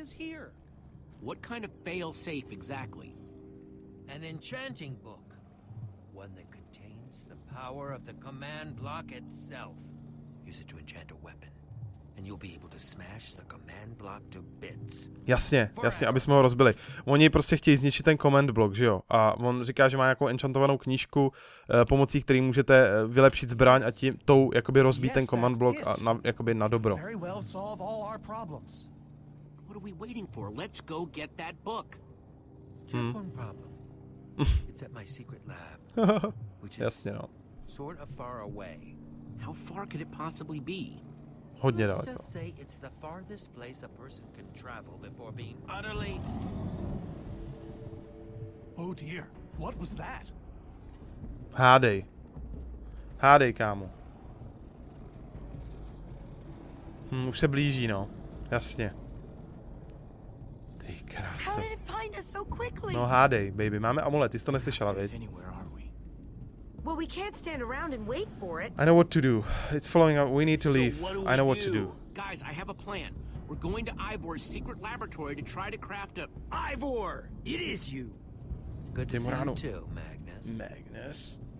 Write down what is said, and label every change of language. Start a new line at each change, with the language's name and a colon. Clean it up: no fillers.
English: is here? What kind of failsafe exactly? An enchanting book. One that contains the power of the command block itself. Use it to enchant a weapon. and you'll be able to smash the command block to bits.
Czech: Jasně, jasně, aby jsme ho rozbili. Oni prostě chtějí zničit ten command block, že jo? A on říká, že má nějakou enchantovanou knížku, pomocí které můžete vylepšit zbraň a tím tou jakoby rozbít ten command block a na, jakoby na dobro.
English: What are we waiting for? Let's go get that book. Just one problem. It's at my secret lab. Which is
Czech: Jasně, no.
English: Sort of far away. How far could it possibly be?
Czech: Hodně daleko.
English: Let's just say it's the farthest place a person can travel before being utterly... Oh dear, what was that?
Czech: Hádej. Hádej, kámo. Už se blíží, no. Jasně. Ty krása. No hádej, baby, máme amulet, ty jsi to neslyšela, viď?
English: Well, we can't stand around and wait for it. I know what to do. It's following up. We need to leave. I know what to do. Guys, I have a plan. We're going to Ivor's secret laboratory to try to craft a... Ivor! It is you! Good to see you too, Magnus. Magnus.